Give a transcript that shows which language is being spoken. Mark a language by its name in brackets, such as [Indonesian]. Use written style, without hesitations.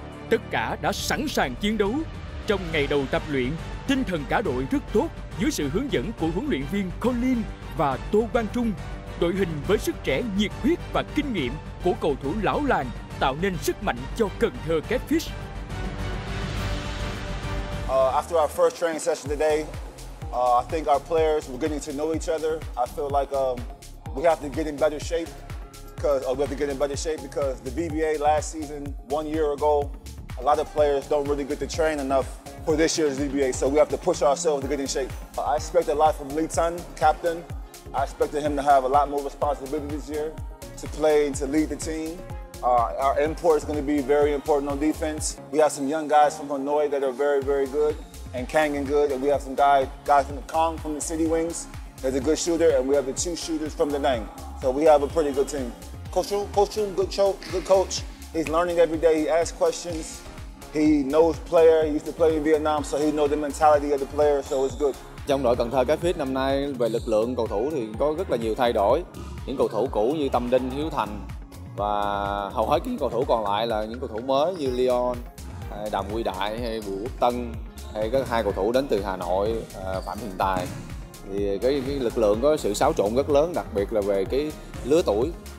[Vietnamese] Tất cả đã sẵn sàng chiến đấu. Trong ngày đầu tập luyện, tinh thần cả đội rất tốt dưới sự hướng dẫn của huấn luyện viên Colin và Tô Quang Trung. Đội hình với sức trẻ, nhiệt huyết và kinh nghiệm của cầu thủ lão làng tạo nên sức mạnh cho Cần Thơ Catfish. [English] After our first training session today, I think our players were getting to know each other. I feel like we have to get in better shape because the BBA last season, one year ago, a lot of players don't really get to train enough for this year's BBA. So we have to push ourselves to get in shape. I expect a lot from Lee Tun, captain. I expected him to have a lot more responsibility this year to play and to lead the team. Our import is going to be very important on defense. We have some young guys from Hanoi that are very, very good. And Kang and good, and we have some guys from the Kong from the City Wings that's a good shooter, and we have the two shooters from the Nang. So we have a pretty good team. Coach Chung, good coach. He's learning every day. He asks questions. He knows player. He used to play in Vietnam, so he knows the mentality of the player. So it's good. [Vietnamese] Trong đội Cần Thơ Catfish năm nay về lực lượng cầu thủ thì có rất là nhiều thay đổi. Những cầu thủ cũ như Tâm Đinh, Hiếu Thành và hầu hết những cầu thủ còn lại là những cầu thủ mới như Leon, Đàm Huy Đại hay Vũ Quốc Tân. Hay có hai cầu thủ đến từ Hà Nội, Phạm Hiền Tài. Thì cái lực lượng có sự xáo trộn rất lớn, đặc biệt là về cái lứa tuổi.